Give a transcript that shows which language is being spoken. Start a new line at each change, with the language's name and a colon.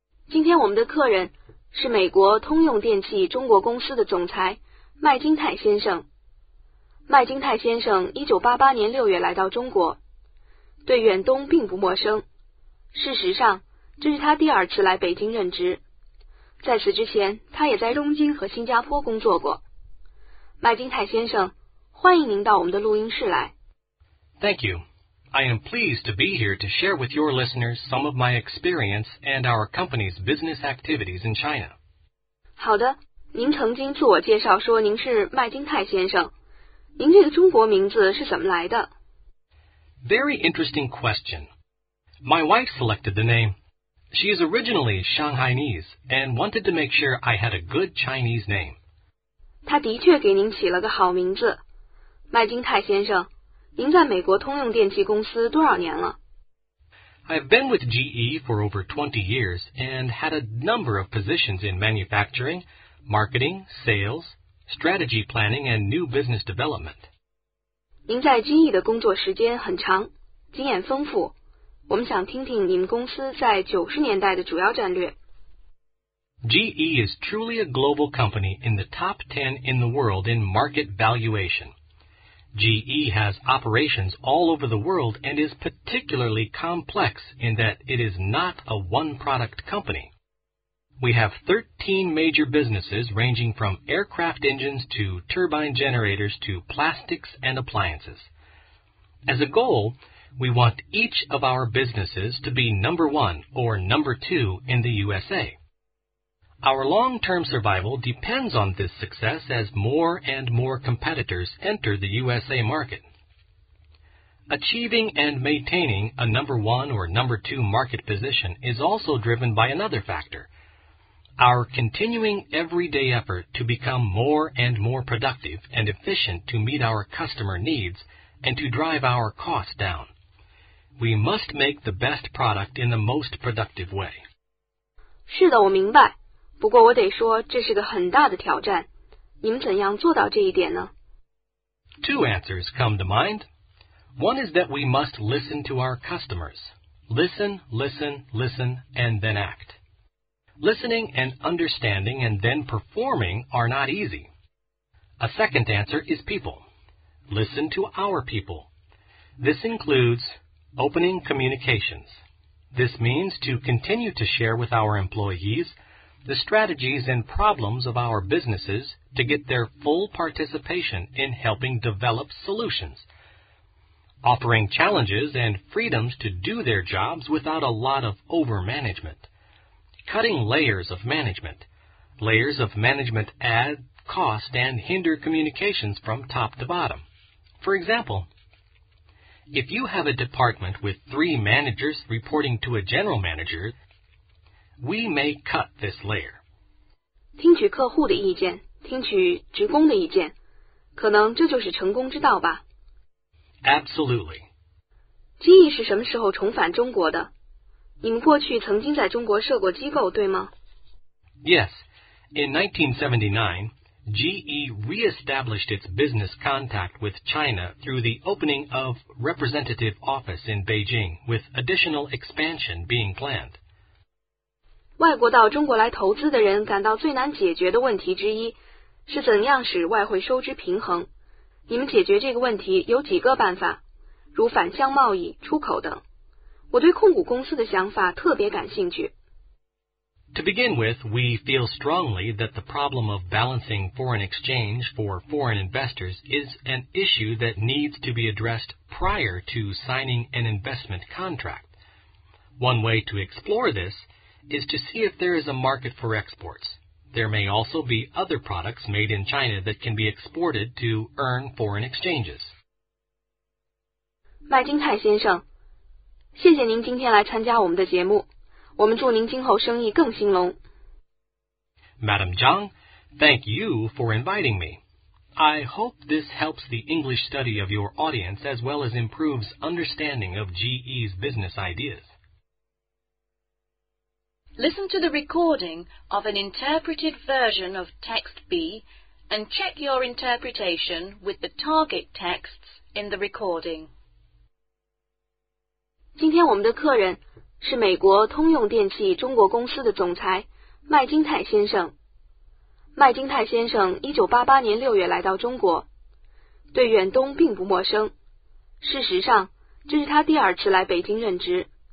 Chinese: 今天我们的客人 是美国通用电器中国公司的总裁麦金泰先生。麦金泰先生1988年6月来到中国，对远东并不陌生。事实上，这是他第二次来北京任职。在此之前，他也在东京和新加坡工作过。麦金泰先生，欢迎您到我们的录音室来。
English: Thank you. I am pleased to be here to share with your listeners some of my experience and our company's business activities in China.
Chinese: 好的，您曾经自我介绍说您是麦金泰先生。您这个中国名字是怎么来的？
English: Very interesting question. My wife selected the name. She is originally Shanghainese and wanted to make sure I had a good Chinese name.
Chinese: 她的确给您起了个好名字。麦金泰先生，您在美国通用电气公司多少年了？
English: I have been with GE for over 20 years and had a number of positions in manufacturing, marketing, sales,Strategy planning and new business development.
Chinese: 您在 GE 的工作时间很长，经验丰富。我们想听听你们公司在90年代的主要战略。
English: GE is truly a global company in the top 10 in the world in market valuation. GE has operations all over the world and is particularly complex in that it is not a one-product company. We have 13 major businesses ranging from aircraft engines to turbine generators to plastics and appliances. As a goal, we want each of our businesses to be number one or number two in the USA. Our long-term survival depends on this success as more and more competitors enter the USA market. Achieving and maintaining a number one or number two market position is also driven by another factor. Our continuing everyday effort to become more and more productive and efficient to meet our customer needs and to drive our costs down. We must make the best product in the most productive way.
Chinese: 是的，我明白。不过我得说，这是个很大的挑战。你们怎样做到这一点呢？
English: Two answers come to mind. One is that we must listen to our customers. Listen, listen, listen, and then act. Listening and understanding and then performing are not easy. A second answer is people. Listen to our people. This includes opening communications. This means to continue to share with our employees the strategies and problems of our businesses to get their full participation in helping develop solutions. Offering challenges and freedoms to do their jobs without a lot of over-management. Cutting layers of management. Layers of management add cost and hinder communications from top to bottom. For example, if you have a department with three managers reporting to a general manager, we may cut this layer.
Chinese: 听取客户的意见，听取职工的意见，可能这就是成功之道吧。
English: Absolutely.
Chinese: GE 是什么时候重返中国的？你们过去曾经在中国设过机构，对吗？
English: Yes. In 1979, GE re-established its business contact with China through the opening of representative office in Beijing, with additional expansion being planned.
Chinese: 外国到中国来投资的人感到最难解决的问题之一是怎样使外汇收支平衡。你们解决这个问题有几个办法，如反向贸易、出口等。我对控股公司的想法特别感兴趣。
English: To begin with, we feel strongly that the problem of balancing foreign exchange for foreign investors is an issue that needs to be addressed prior to signing an investment contract. One way to explore this is to see if there is a market for exports. There may also be other products made in China that can be exported to earn foreign exchanges.
Chinese: 麦金泰先生，谢谢您今天来参加我们的节目，我们祝您今后生意更兴隆。
English: Madam Zhang, thank you for inviting me. I hope this helps the English study of your audience as well as improves understanding of GE's business ideas. Listen to the recording of an interpreted version of text B and check your interpretation with the target texts in the recording.
Chinese: 今天我们的客人是美国通用电气中国公司的总裁麦金泰先生。麦金泰先生1988年6月来到中国，对远东并不陌生。事实上，这是他第二次来北京任职。